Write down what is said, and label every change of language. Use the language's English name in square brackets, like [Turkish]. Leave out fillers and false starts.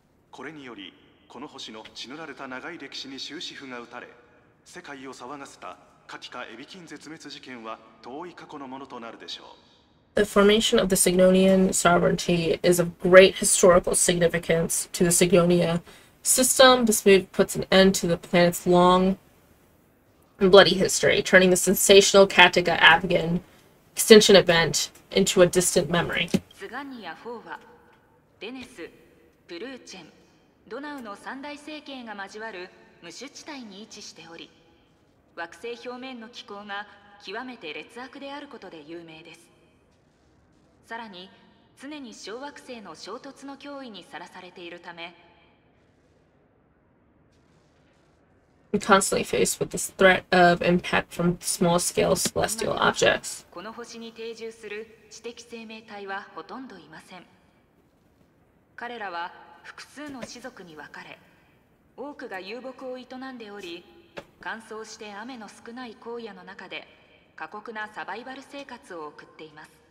[Japanese] これにより、この星の血塗られた長い歴史に終止符が打たれ、世界を騒がせたカティカ・エビキン絶滅事件は遠い過去のものとなるでしょう。 [English] The formation of the Signodian sovereignty is of great historical significance to the Signodia system. This move puts an end to the planet's long and bloody history, turning the sensational Katika Abigan extinction event into a distant memory. [Japanese] Zgania 4 は、デネス、プルーチェン、ドナウの三大星系が交わる無主地帯に位置しており、惑星表面の気候が極めて劣悪であることで有名です。さらに常に小惑星の衝突の脅威にさらされているため、 [English] constantly faced with this threat of impact from small-scale celestial objects. [Japanese] この星に定住する知的生命体はほとんどいません。彼らは複数の種族に分かれ、多くが遊牧を営んでおり、乾燥して雨の少ない荒野の中で過酷なサバイバル生活を送っています。